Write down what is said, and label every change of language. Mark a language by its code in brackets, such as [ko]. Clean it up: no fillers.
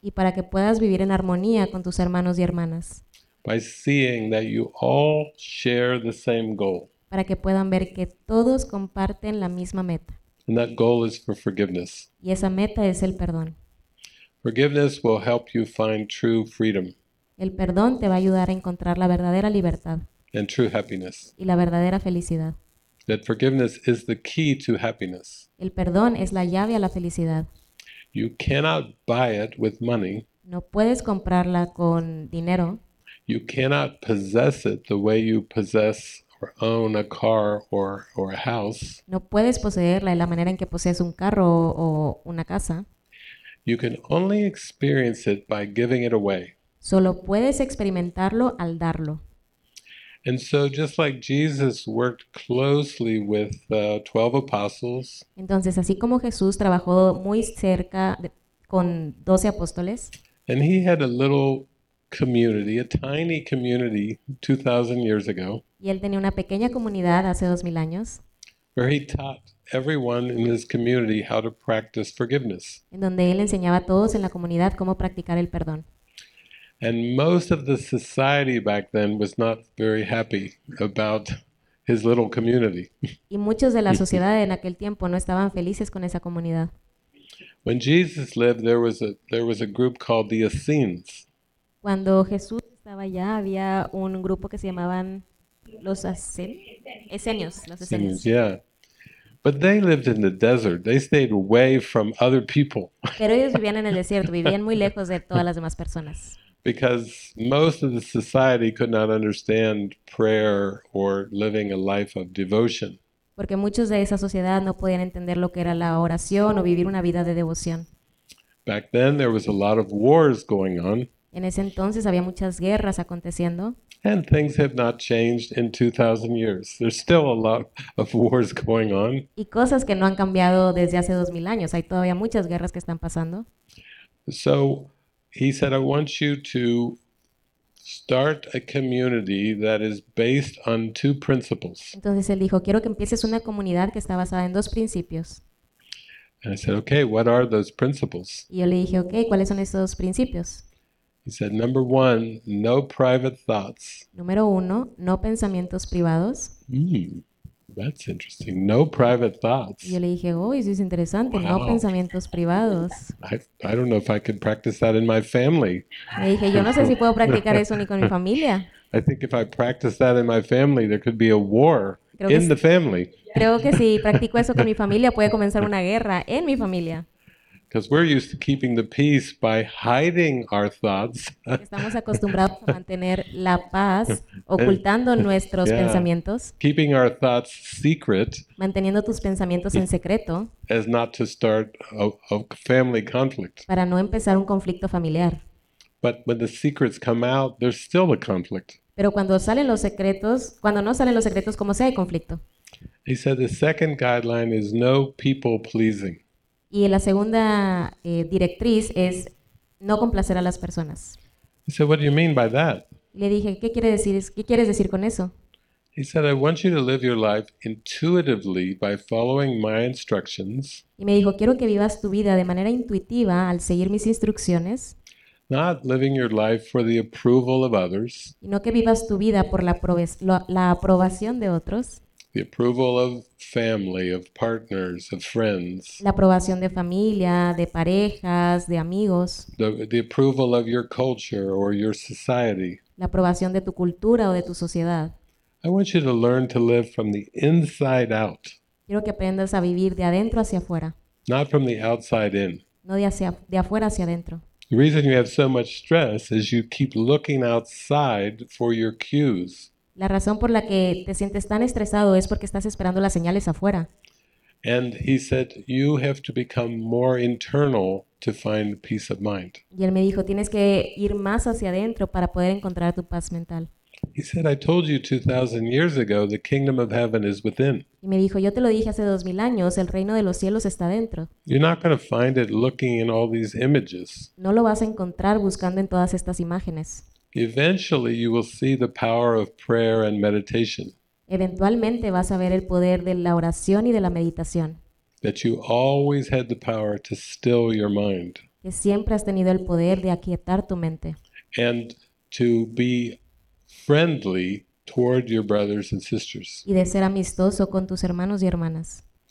[es] y para que puedas vivir en armonía con tus hermanos y hermanas. [en] by seeing that you all share the same goal. [es] Para que puedan ver que todos comparten la misma meta. [en] And that goal is for forgiveness. [es] Y esa meta es el perdón. [en] Forgiveness will help you find true freedom. [es] El perdón te va a ayudar a encontrar la verdadera libertad [en] And true happiness. [es] y la verdadera felicidad. [en] That forgiveness is the key to happiness. [es] El perdón es la llave a la felicidad. [en] You cannot buy it with money. [es] No puedes comprarla con dinero. [en] You cannot possess it the way you possess or own a car or a house. [es] No puedes poseerla de la manera en que posees un carro o una casa. [en] You can only experience it by giving it away. [es] Solo puedes experimentarlo al darlo. [en] And so, just like Jesus worked closely with 12 apostles, [es] Entonces, así como Jesús trabajó muy cerca con 12 apóstoles, [en] and he had a little community, a tiny community, 2,000 years ago, [es] y él tenía una pequeña comunidad hace 2000 años, [en] where he taught everyone in his community how to practice forgiveness. [es] en donde él enseñaba a todos en la comunidad cómo practicar el perdón. [en] And most of the society back then was not very happy about his little community. [es] Y muchos de la sociedad en aquel tiempo no estaban felices con esa comunidad. [en] When Jesus lived, there was a group called the Essenes. [es] Cuando Jesús estaba allá, había un grupo que se llamaban los Esenios, los Esenios. [en] yeah. But they lived in the desert. They stayed away from other people. [es] Pero ellos vivían en el desierto, vivían muy lejos de todas las demás personas. [en] Because most of the society could not understand prayer or living a life of devotion. [es] Porque muchos de esa sociedad no podían entender lo que era la oración o vivir una vida de devoción. [en] Back then there was a lot of wars going on. [es] En ese entonces había muchas guerras aconteciendo. [en] And things have not changed in 2,000 years. There's still a lot of wars going on. [es] Y cosas que no han cambiado desde hace 2000 años. Hay todavía muchas guerras que están pasando. [en] So he said, I want you to start a community that is based on two principles. [es] Entonces él dijo, quiero que empieces una comunidad que está basada en dos principios. [en] And I said, okay, what are those principles? [es] Y yo le dije, ok, ¿cuáles son esos dos principios? [en] He said, number one, no private thoughts. [es] Número uno, no pensamientos privados. [en] That's interesting. No private [es] Y yo [en] thoughts. [es] le dije, oh, eso es interesante, no [en] Wow. [es] pensamientos privados. [en] I don't know if I could practice that in my family. [es] Le dije, yo no sé si puedo practicar eso ni con mi [en] I [es] familia. [en] think if I practice that in my family, there could be a war. [es] Creo que [en] In the [es] sí. [en] family. [es] Creo que si practico eso con mi familia, puede comenzar una guerra en mi familia. [en] Because we're used to keeping the peace by hiding our thoughts. [es] Estamos acostumbrados a mantener la paz ocultando nuestros [en] Yeah, [es] pensamientos, [en] keeping our thoughts secret [es] manteniendo tus pensamientos en secreto [en] as not to start a family conflict. [es] para no empezar un conflicto familiar. [en] But when the secrets come out, there's still a conflict. [es] Pero cuando salen los secretos, cuando no salen los secretos, como sea, hay conflicto. [en] He said the second guideline is no people pleasing. [es] Y la segunda directriz es no complacer a las personas. [en] He said, "What do you mean by that?" [es] Le dije, ¿qué quieres decir con eso? [en] He said, "I want you to live your life intuitively by following my instructions, [es] Y me dijo, quiero que vivas tu vida de manera intuitiva al seguir mis instrucciones. [en] not living your life for the approval of others, [es] Y no que vivas tu vida por la aprobación de otros. [en] the approval of family, of partners, of friends." [es] La aprobación de familia, de parejas, de amigos. [en] The approval of your culture or your society. [es] La aprobación de tu cultura o de tu sociedad. [en] I want you to learn to live from the inside out, [es] Quiero que aprendas a vivir de adentro hacia afuera. [en] not from the outside in. [es] No de afuera hacia adentro. [en] The reason you have so much stress is you keep looking outside for your cues. [es] La razón por la que te sientes tan estresado es porque estás esperando las señales afuera. [en] And he said, you have to become more internal to find peace of mind. [es] Y él me dijo, tienes que ir más hacia adentro para poder encontrar tu paz mental. [en] He said, I told you 2,000 years ago, the kingdom of heaven is within. [es] Y me dijo, yo te lo dije hace 2000 años, el reino de los cielos está dentro. [en] You're not going to find it looking in all these images. [es] No lo vas a encontrar buscando en todas estas imágenes. [en] Eventually, you will see the power of prayer and meditation. [es] Eventualmente vas a ver el poder de la oración y de la meditación. [en] That you always had the power to still your mind. [es] Que siempre has tenido el poder de aquietar tu mente. [en] And to be friendly toward your brothers and sisters. [es] Y de ser amistoso con tus hermanos y hermanas.